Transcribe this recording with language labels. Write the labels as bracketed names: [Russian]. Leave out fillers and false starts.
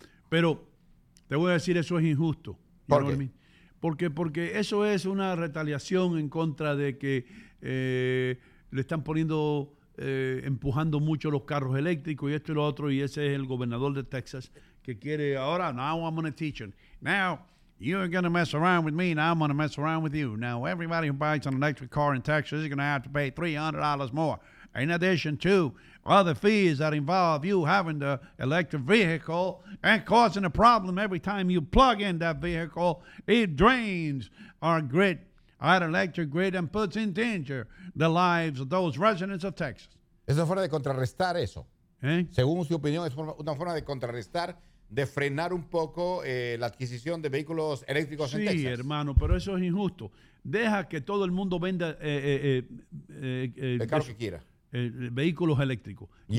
[Spanish] Pero te voy a decir, eso es injusto. ¿Por qué? ¿No? Porque eso es una retaliación en contra de que le están poniendo, empujando mucho los carros eléctricos y esto y lo otro, y ese es el gobernador de Texas que quiere, ahora, [English] now I'm going to teach him. Now, you're going to mess around with me, and I'm going to mess around with you. Now, everybody who buys an electric car in Texas is going to have to pay $300 more. In addition to other fees that involve you having the electric vehicle and causing a problem every time you plug in that vehicle, it drains our grid. at electric grid and puts in danger the lives of those residents of Texas. [Spanish] Es una forma de contrarrestar eso. ¿Eh? Según su opinión, es una forma de contrarrestar, de frenar un poco la adquisición de vehículos eléctricos sí, en Texas. Sí, hermano, pero eso es injusto. Deja que todo el mundo venda el carro que quiera. Vehículos eléctricos. Yes.